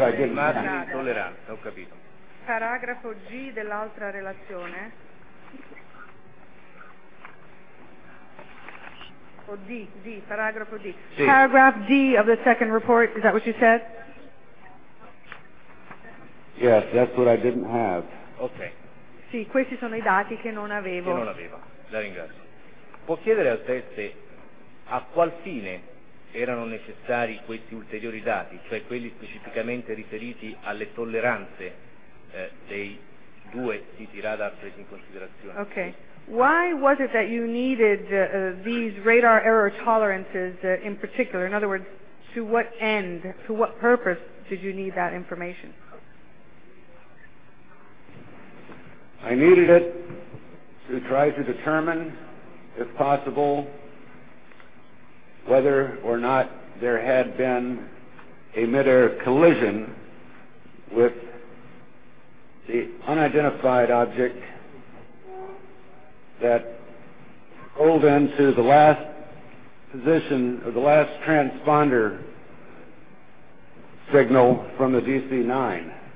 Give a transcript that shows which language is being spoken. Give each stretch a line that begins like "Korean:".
Italian: Immagini di tolleranza, ho capito. Paragrafo G dell'altra relazione. O D, D, paragrafo D. Sì.
English: Paragraph D of the second report, is that what you said? Yes, that's what I didn't have. Okay.
Italian: Sì, questi sono i dati che non avevo. Che non avevo, la ringrazio. Può chiedere al teste a qual fine erano necessari questi ulteriori dati, cioè quelli specificamente riferiti alle tolleranze dei due siti radar presi in considerazione?
English: Okay. Why was it that you needed these radar error tolerances in particular? In other words, to what end, to what purpose did you need that information? I needed it to try to determine, if possible, whether or not there had been a mid-air collision with the unidentified object that rolled into the last position or the last transponder signal from the DC-9.